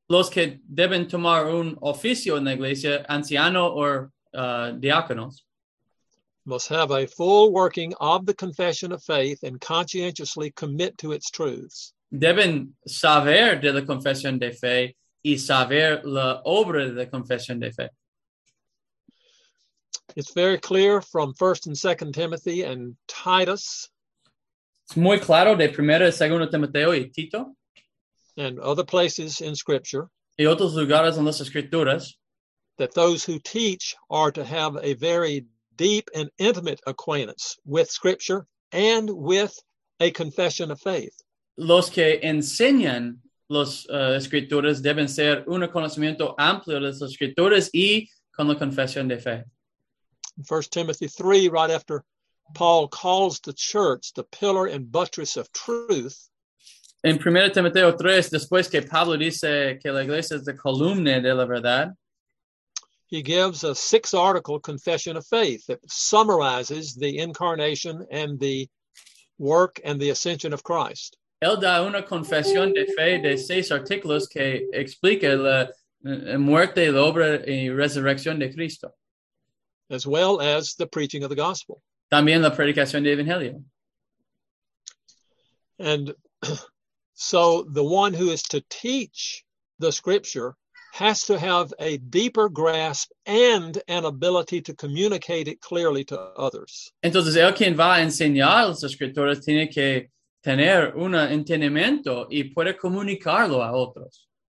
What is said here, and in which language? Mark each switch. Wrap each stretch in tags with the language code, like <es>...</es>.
<es>Los que deben tomar un oficio en la iglesia, anciano or diáconos.</es> <en>Must have a full working of the confession of faith and conscientiously commit to its truths.</en> <es>Deben saber de la confesión de fe y saber la obra de la confesión de fe.</es> <en>It's very clear from 1 and 2 Timothy and Titus.</en> <es>Es muy claro de 1 y 2 Timoteo y Tito.</es> <en>And other places in Scripture.</en> <es>Y otros lugares en las Escrituras.</es> <en>That those who teach are to have a very deep and intimate acquaintance with Scripture and with a confession of faith.</en> <es>Los que enseñan los escrituras deben ser un conocimiento amplio de las escrituras y con la confesión de fe.</es> <en>1 Timothy 3, right after Paul calls the church the pillar and buttress of truth.</en> <es>En 1 Timoteo 3, después que Pablo dice que la iglesia es la columna de la verdad,</es> <en>he gives a 6-article confession of faith that summarizes the incarnation and the work and the ascension of Christ.</en> <es>Él da una confesión de fe de 6 artículos que explica la muerte, la obra y resurrección de Cristo.</es> <en>As well as the preaching of the gospel.</en> <es>También la predicación del evangelio.</es> <en>And so the one who is to teach the scripture has to have a deeper grasp and an ability to communicate it clearly to others.</en> <es>Entonces, el quien va a enseñar las escrituras tiene que tener un entendimiento y puede comunicarlo a otros.</es>